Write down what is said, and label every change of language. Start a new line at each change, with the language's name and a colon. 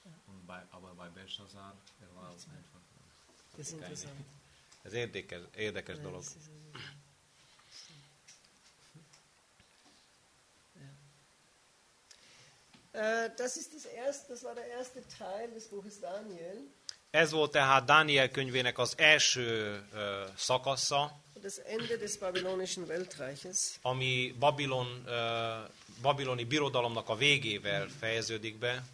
German: Und aber bei Belshazzar, er war es einfach.
Hungarian: Ez érdekes dolog.
German: Das war der erste Teil des Buches Daniel.
Hungarian: Ez volt tehát Dániel könyvének az első szakasza.
German: Das Ende des babylonischen Weltreiches.
Hungarian: Ami babiloni birodalomnak a végével fejeződik be.